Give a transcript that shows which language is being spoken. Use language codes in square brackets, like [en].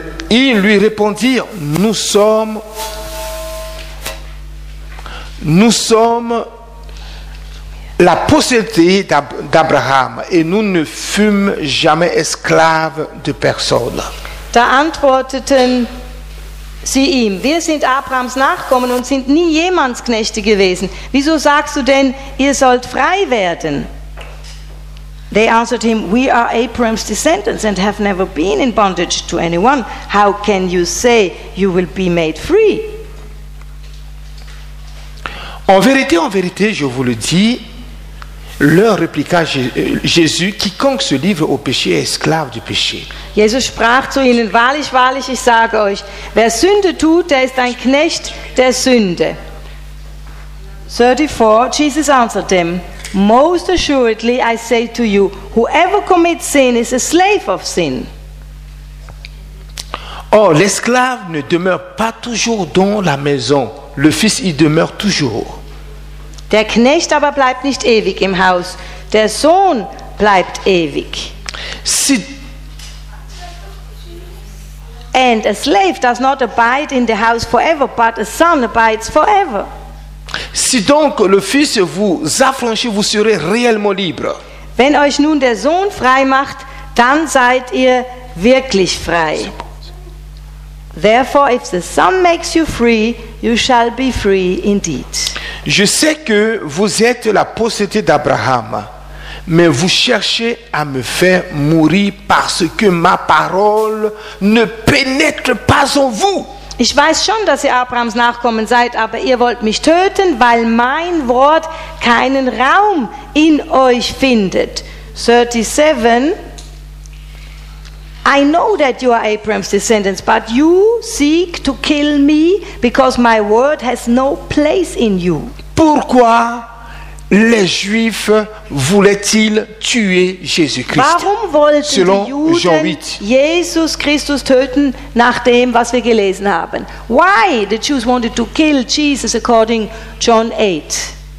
[fr] Ils lui répondirent, nous sommes la postérité d'Abraham, et nous ne fûmes jamais esclaves de personne. [de] Da antworteten sie ihm, wir sind Abrahams Nachkommen und sind nie jemands Knechte gewesen. Wieso sagst du denn, ihr sollt frei werden? [en] They answered him, we are Abraham's descendants and have never been in bondage to anyone. How can you say you will be made free? [fr] En vérité, je vous le dis, leur répliqua Jésus, quiconque se livre au péché est esclave du péché. [de] Jesus sprach zu ihnen, wahrlich, wahrlich, ich sage euch, wer Sünde tut, der ist ein Knecht der Sünde. [en] 34, Jesus answered them, most assuredly I say to you, whoever commits sin is a slave of sin. [fr] Or, l'esclave ne demeure pas toujours dans la maison, le fils y demeure toujours. [de] Der Knecht aber bleibt nicht ewig im Haus, der Sohn bleibt ewig. [fr] Si [en] And a slave does not abide in the house forever, but a son abides forever. [fr] Si donc le Fils vous affranchit, vous serez réellement libre. [de] Wenn euch nun der Sohn frei macht, dann seid ihr wirklich frei. [en] Therefore, if the Son makes you free, you shall be free indeed. [fr] Je sais que vous êtes la postérité d'Abraham, mais vous cherchez à me faire mourir parce que ma parole ne pénètre pas en vous. [de] Ich weiß schon, dass ihr Abrahams Nachkommen seid, aber ihr wollt mich töten, weil mein Wort keinen Raum in euch findet. [en] 37. I know that you are Abraham's descendants, but you seek to kill me because my word has no place in you. [fr] Pourquoi les Juifs voulaient-ils tuer Jésus-Christ? [de] Warum wollten die Juden Jesus Christus töten nach dem, was wir gelesen haben? [en] Why the Jews wanted to kill Jesus according John 8?